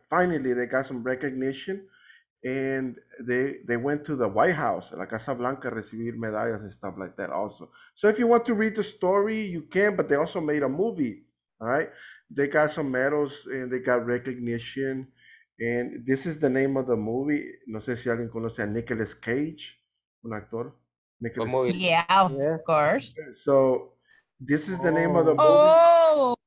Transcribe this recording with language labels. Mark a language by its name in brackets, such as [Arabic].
[English] Finally, they got some recognition, and they went to the White House, [Spanish] La Casa Blanca, recibir medallas [English] and stuff like that also. So if you want to read the story, you can, but they also made a movie, all right? They got some medals, and they got recognition, and this is the name of the movie. [Spanish] No sé si alguien conoce a Nicolas Cage, un actor. Nicolas Cage. [English] Yeah, of course. So this is the name of the movie.